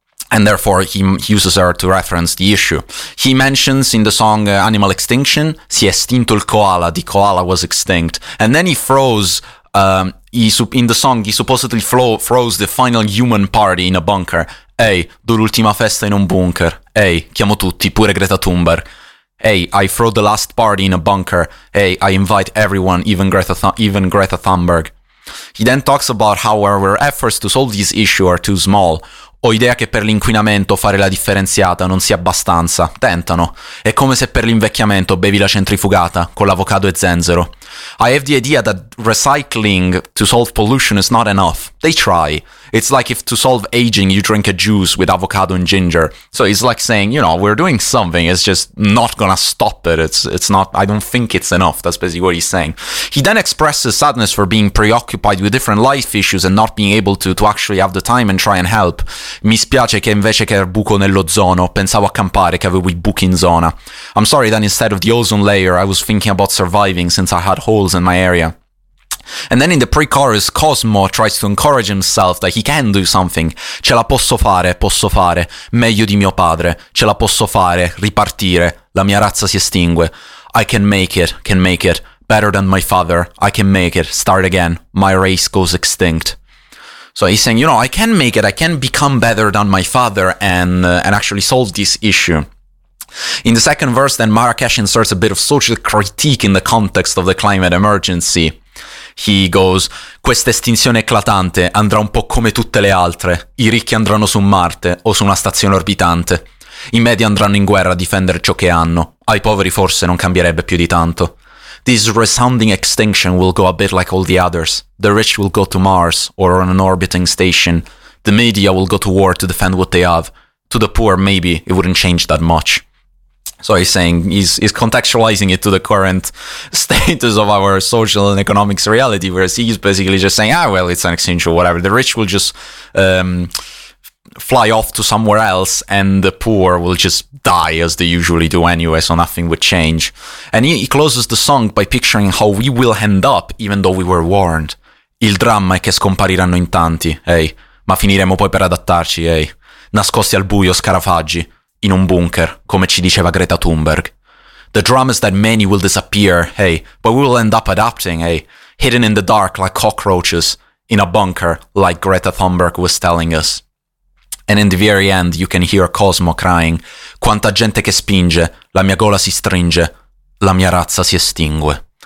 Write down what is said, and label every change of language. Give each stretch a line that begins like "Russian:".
English: and therefore he uses her to reference the issue. He mentions in the song Animal Extinction,
Italian: si è estinto il koala,
English: the koala was extinct, and then he froze, in the song he supposedly froze the final human party in a bunker.
Italian: Ehi, do l'ultima festa in un bunker. Ehi, chiamo tutti, pure Greta Thunberg.
English: Ehi, I throw the last party in a bunker. Ehi, I invite everyone, even Greta Thunberg. He then talks about how our efforts to solve this issue are too small.
Italian: Ho idea che per l'inquinamento fare la differenziata non sia abbastanza. Tentano. È come se per l'invecchiamento bevi la centrifugata con l'avocado e zenzero.
English: I have the idea that recycling to solve pollution is not enough. They try. It's like if to solve aging you drink a juice with avocado and ginger. So it's like saying, you know, we're doing something, it's just not gonna stop it. I don't think it's enough. That's basically what he's saying. He then expresses sadness for being preoccupied with different life issues and not being able to actually have the time and try and help.
Italian: Mi spiace che invece che il buco nell'ozono, pensavo a campare che avevo I buchi in zona.
English: I'm sorry that instead of the ozone layer, I was thinking about surviving since I had holes in my area. And then in the pre-chorus, Cosmo tries to encourage himself that he can do something.
Italian: Ce la posso fare, meglio di mio padre. Ce la posso fare, ripartire, la mia razza si estingue.
English: I can make it, better than my father. I can make it, start again, my race goes extinct. So he's saying, you know, I can make it, I can become better than my father and actually solve this issue. In the second verse, then Marracash inserts a bit of social critique in the context of the climate emergency. He goes,
Italian: questa estinzione eclatante andrà un po' come tutte le altre. I ricchi andranno su Marte o su una stazione orbitante. I medi andranno in guerra a difendere ciò che hanno. Ai poveri forse non cambierebbe più di tanto.
English: This resounding extinction will go a bit like all the others. The rich will go to Mars or on an orbiting station. The media will go to war to defend what they have. To the poor, maybe it wouldn't change that much. So he's saying, he's contextualizing it to the current status of our social and economics reality, whereas he's basically just saying, ah, well, it's an extinction, whatever. The rich will just fly off to somewhere else and the poor will just die as they usually do anyway, so nothing would change. And he closes the song by picturing how we will end up, even though we were warned.
Italian: Il dramma è che scompariranno in tanti, ehi, ma finiremo poi per adattarci, ehi. Nascosti al buio, scarafaggi. In un bunker, come ci diceva Greta Thunberg.
English: The drama is that many will disappear, hey, but we will end up adapting, hey, hidden in the dark like cockroaches, in a bunker, like Greta Thunberg was telling us. And in the very end, you can hear Cosmo crying,
Italian: quanta gente che spinge, la mia gola si stringe, la mia razza si estingue.